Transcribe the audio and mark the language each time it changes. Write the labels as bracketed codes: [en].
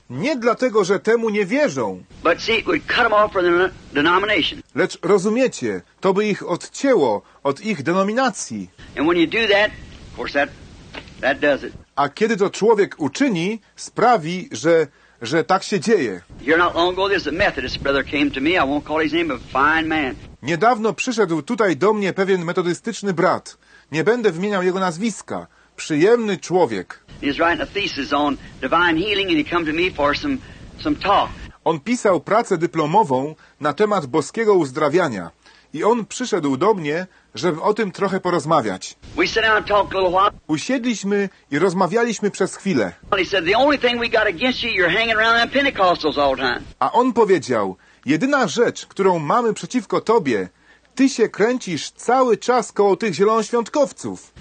[pl] Nie dlatego, że temu nie wierzą. [en] But see, it would cut them off from their denomination. [pl] Lecz rozumiecie, to by ich odcięło od ich denominacji. [en] And when you do that, of course that does it. [pl] A kiedy to człowiek uczyni, sprawi, że tak się dzieje. [en] Here not long ago, this Methodist brother came to me. I won't call his name, but a fine man. [pl] Niedawno przyszedł tutaj do mnie pewien metodystyczny brat. Nie będę wymieniał jego nazwiska. Przyjemny człowiek. [en] He's writing a thesis on divine healing, and he came to me for some talk. [pl] On pisał pracę dyplomową na temat boskiego uzdrawiania i on przyszedł do mnie, żeby o tym trochę porozmawiać. [en] We sat down and talked a little while. [pl] Usiedliśmy i rozmawialiśmy przez chwilę. [en] He said, the only thing we got against you, you're hanging around them Pentecostals all the time. [pl] A on powiedział, jedyna rzecz, którą mamy przeciwko tobie, ty się kręcisz cały czas koło tych zielonoświątkowców.